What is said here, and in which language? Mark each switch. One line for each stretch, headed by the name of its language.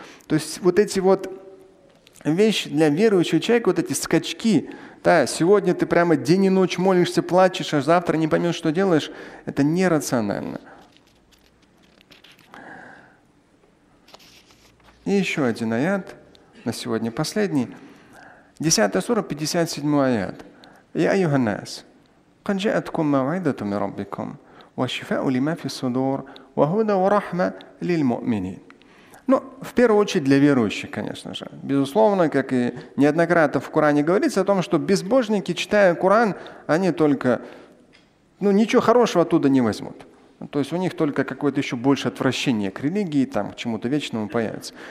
Russian: То есть вот эти вот вещи для верующего человека, вот эти скачки, да, сегодня ты прямо день и ночь молишься, плачешь, а завтра не поймешь, что делаешь, это нерационально. И еще один аят, на сегодня последний. 10 сура, 57 аят.
Arabic: يا أيها الناس قد جاءتكم موعظة من ربكم وشفاء لما في الصدور وَهُدَ وَرَحْمَ لِلْمُؤْمِنِينَ.
Russian: Ну, в первую очередь для верующих, конечно же. Безусловно, как и неоднократно в Коране говорится о том, что безбожники, читая Коран, они только, ну, ничего хорошего оттуда не возьмут. То есть у них только какое-то еще большее отвращение к религии, там, к чему-то вечному появится.